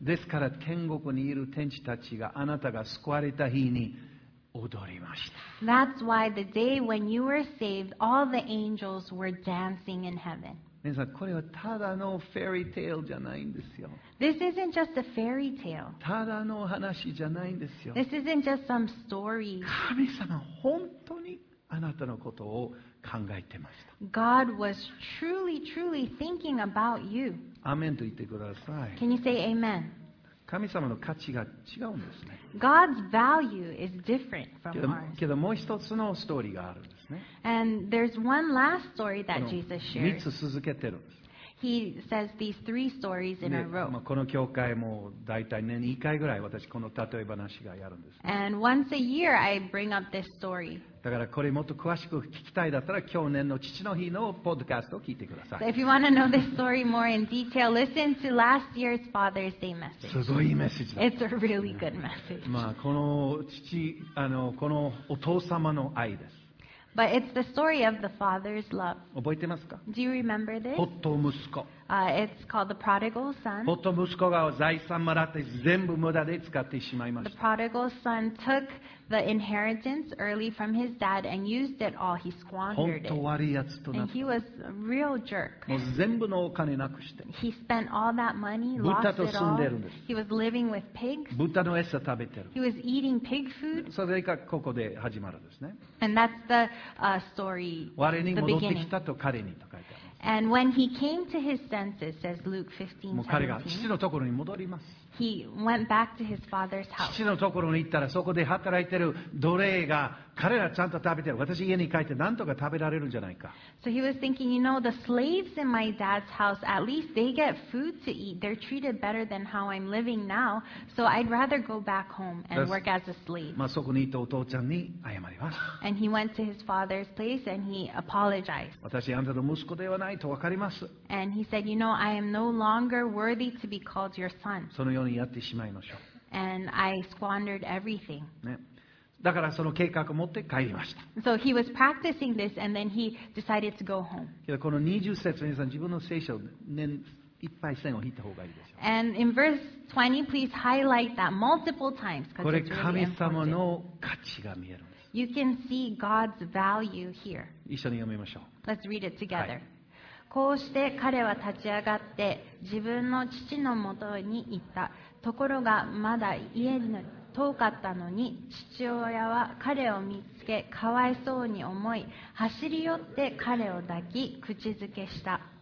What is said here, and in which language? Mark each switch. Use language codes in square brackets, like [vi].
[ja] ですから天国にいる天使たちがあなたが救われた日に、踊りました。 [en] That's why the day when you were saved, all the angels were dancing in heaven. [ja] 皆さん、これはただのフェリーテイルじゃないんですよ。 [en] This isn't just a fairy tale. [ja] ただの話じゃないんですよ。 [en] This isn't just some story. [ja] 神様、本当にあなたのことを考えてました。 [en] God was truly, truly thinking about you. [ja] アメンと言ってください。 [en] Can you say amen? [ja] 神様の価値が違うんですね。 [en] God's value is different from ours. [ja] けどもう一つのストーリーがあるんですね。 [en] And there's one last story that Jesus shared. [ja] 三つ続けてるんです。 [en] He says these three stories in a row. [ja] まあ、この教会もだいたい年に1回ぐらい私この例え話がやるんです、ね。 [en] And once a year I bring up this story. [ja] だからこれもっと詳しく聞きたいだったら去年の父の日のポッドキャストを聞いてください。 [en] So、if you want to know this story more in detail, listen to last year's Father's Day message. [ja] すごいメッセージだ。 [en] It's a really good message. [ja] まあ、この父、このお父様の愛です。 [en] But it's the story of the father's love. [ja] 覚えてますか? [en] Do you remember this? [ja] ポット息子。 [en] It's called the prodigal son. [ja] ポット息子が財産もらって全部無駄で使ってしまいました。 [en] The prodigal son took the inheritance early from his dad and used it all. He squandered it. [ja] 本当悪いやつとなった。 [en] And he was a real jerk. [ja] もう全部のお金なくして。 [en] He spent all that money, lost it all. [ja] 豚と住んでるんです。 [en] He was living with pigs. [ja] 豚の餌食べてる。 [en] He was eating pig food. [ja] それがここで始まるんですね。 [en] And that's the story. [ja] 我に戻ってきたと彼にと書いてあります。 [en] And when he came to his senses, says Luke 15:17. [ja] もう彼が父のところに戻ります。 [en] He went back to his father's house. [ja] 父のところに行ったら、そこで働いてる奴隷が彼らちゃんと食べてる。私家に帰って何とか食べられるんじゃないか。 [en] So he was thinking, you know, the slaves in my dad's house, at least they get food to eat. They're treated better than how I'm living now. So I'd rather go back home and work as a slave. [ja] まあそこに行ったお父ちゃんに謝ります。 [en] And he went to his father's place and he apologized. [ja] 私あんたの息子ではないと分かります。 [en] And he said, you know, I am no longer worthy to be called your son. [ja] そのようにやってしまいましょう。 [en] And I squandered everything. [ja] ね。だからその計画を持って帰りました。 [en] So he was practicing this and then he decided to go home. [ja] この20節、皆さん自分の聖書年いっぱい線を引いた方がいいでしょう。 [en] And in verse 20, please highlight that multiple times. [ja] これ神様の価値が見えるんです。 [en] You can see God's value here. [ja] 一緒に読みましょう。 [en] Let's read it together. [ja] こうして彼は立ち上がって自分の父のもとに行った。ところがまだ家に遠かったのに、父親は彼を見つけかわいそうに思い、走り寄って彼を抱き口づけした。